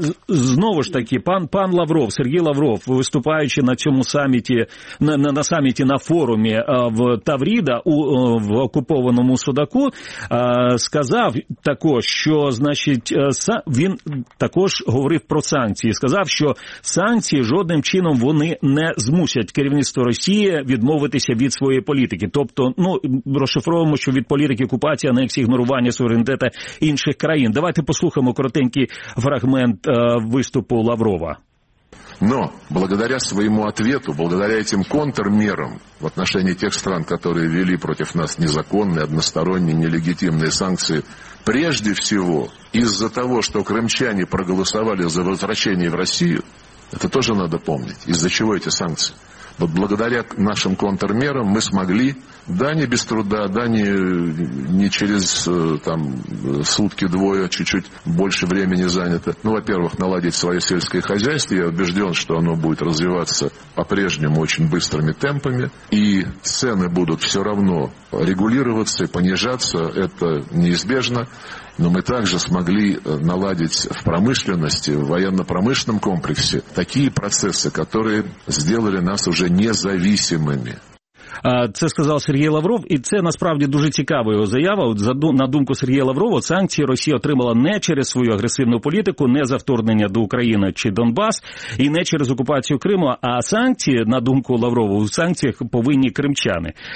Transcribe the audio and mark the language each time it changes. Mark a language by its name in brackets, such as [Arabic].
[Ukrainian] Знову ж таки, пан Лавров, Сергій Лавров, виступаючи на цьому саміті, на саміті на форумі в Таврида в окупованому Судаку, сказав також, що, значить, він також говорив про санкції, сказав, що санкції жодним чином вони не змусять керівництво Росії відмовитися від своєї політики. Тобто, ну, розшифровуємо, що від політики окупації, анексії, ігнорування суверенітету інших країн. Давайте послухаємо коротенький фрагмент выступа Лаврова. [Russian] Но благодаря своему ответу, благодаря этим контрмерам в отношении тех стран, которые ввели против нас незаконные, односторонние, нелегитимные санкции, прежде всего из-за того, что крымчане проголосовали за возвращение в Россию, это тоже надо помнить, из-за чего эти санкции. Вот благодаря нашим контрмерам мы смогли, да не без труда, да не через там, сутки-двое, чуть-чуть больше времени занято. Ну, во-первых, наладить свое сельское хозяйство. Я убежден, что оно будет развиваться по-прежнему очень быстрыми темпами. И цены будут все равно регулироваться и понижаться. Это неизбежно. Но мы также смогли наладить в промышленности, в военно-промышленном комплексе такие процессы, которые сделали нас уже независимыми. [Ukrainian] Це сказав Сергій Лавров, і це насправді дуже цікава його заява. На думку Сергія Лаврова, санкції Росія отримала не через свою агресивну політику, не за вторгнення до України чи Донбас, і не через окупацію Криму, а санкції, на думку Лаврова, у санкціях повинні кримчани.